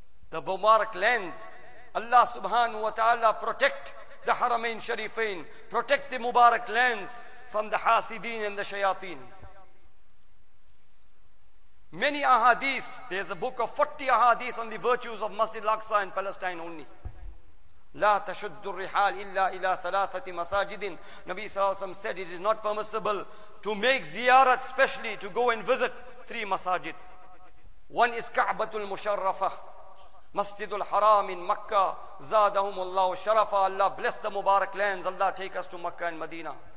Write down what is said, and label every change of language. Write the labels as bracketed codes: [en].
[en] The Mubarak lands, Allah subhanahu wa ta'ala protect the Haramain Sharifain, protect the Mubarak lands from the Hasideen and the Shayateen. Many ahadith, there's a book of 40 ahadith on the virtues of Masjid al-Aqsa in Palestine only. [ar] لا تشد الرحال إلا إلى ثلاثة مساجد. [en] Nabi صلى الله عليه وسلم said it is not permissible to make ziyarat, especially to go and visit three masajid. One is كعبة المشرفة, مسجد الحرام in Makkah. [ar] زادهم الله شرفا, [en] Allah bless the Mubarak lands, Allah take us to Makkah and Medina.